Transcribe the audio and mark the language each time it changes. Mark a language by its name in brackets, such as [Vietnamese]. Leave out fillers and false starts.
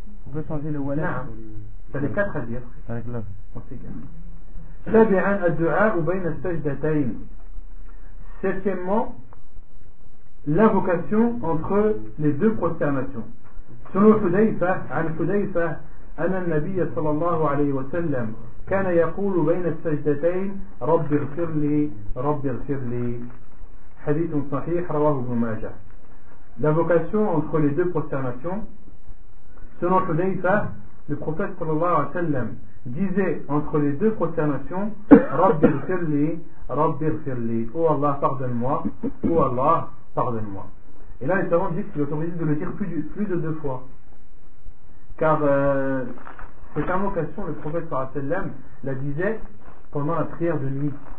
[French] On peut changer le wala. Ça les quatre à dire. Avec l'autre. On sait bien. [Arabic] Sabi'an ad-du'a ou bayna sajdatayn. [French] Septièmement, l'invocation entre les deux prosternations. Selon Hudayfa, al-Hudayfa, an-Nabi sallallahu alayhi wa sallam. [Arabic] كان يقول بين السجدتين رب اغفر لي رب اغفر لي. حديث صحيح رواه ابن ماجه. [French] L'invocation entre les deux prosternations, selon Hudayfa, le prophète صلى الله عليه وسلم disait entre les deux prosternations [Arabic] رب اغفر لي رب اغفر لي. [French] Oh Allah pardonne-moi, oh Allah pardonne-moi. Et là les savants disent qu'il est autorisé de le dire plus de deux fois, car cette invocation, le prophète sallallahu alayhi wa sallam la disait pendant la prière de nuit.